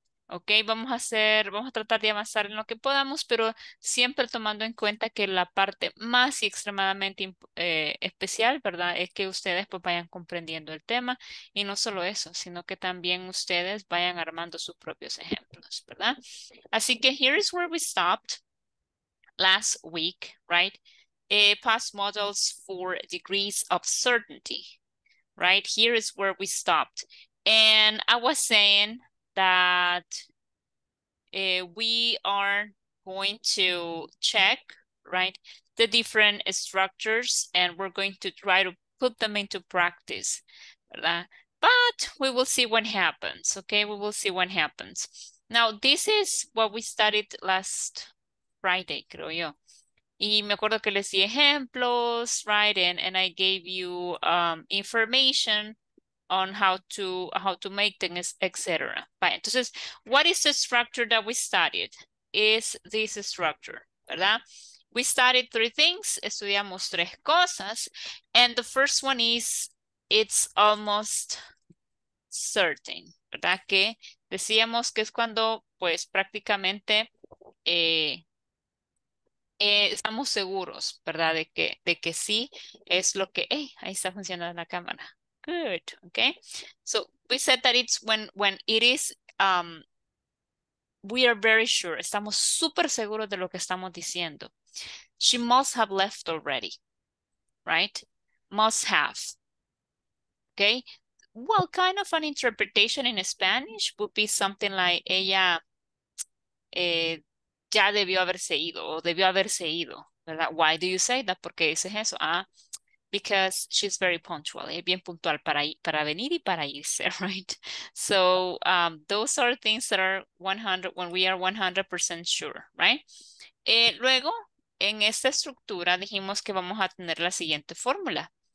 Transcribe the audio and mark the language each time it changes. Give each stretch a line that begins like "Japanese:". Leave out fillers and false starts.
Spanish: Okay, vamos a tratar de avanzar en lo que podamos, pero siempre tomando en cuenta que la parte más y extremadamente especial, ¿verdad?, es que ustedes pues vayan comprendiendo el tema, y no solo eso, sino que también ustedes vayan armando sus propios ejemplos, ¿verdad? Así que
English: here is where we stopped last week, right? Past modals for degrees of certainty, right? Here is where we stopped. And I was saying that we are going to check, right, the different structures, and we're going to try to put them into practice,
Spanish: ¿verdad?
English: But we will see what happens, okay? We will see what happens. Now, this is what we studied last Friday,
Spanish: creo yo. Y me acuerdo que les di ejemplos,
English: right? And I gave you information on how to make things, etc. Right.
Spanish: Entonces,
English: what is the structure that we studied? Is this structure,
Spanish: ¿verdad?
English: We studied three things,
Spanish: estudiamos tres cosas,
English: and the first one is it's almost certain,
Spanish: ¿verdad? Que decíamos que es cuando, pues, prácticamente estamos seguros, ¿verdad? De que sí es lo que, hey, ahí está funcionando la cámara.
English: Good, okay. So we said that it's when it is, we are very sure,
Spanish: estamos súper seguros de lo que estamos diciendo.
English: She must have left already, right? Must have, okay. Well, kind of an interpretation in Spanish would be something like
Spanish: ella ya debió haberse ido,
English: o debió haberse ido,
Spanish: ¿verdad?
English: Why do you say that?
Spanish: ¿Por qué dices eso? Ah,
English: because she's very punctual,
Spanish: es bien puntual para venir y para irse,
English: right? So those are things that are 100, when we are 100% sure, right?
Spanish: Luego, en esta estructura dijimos que vamos a tener la siguiente fórmula.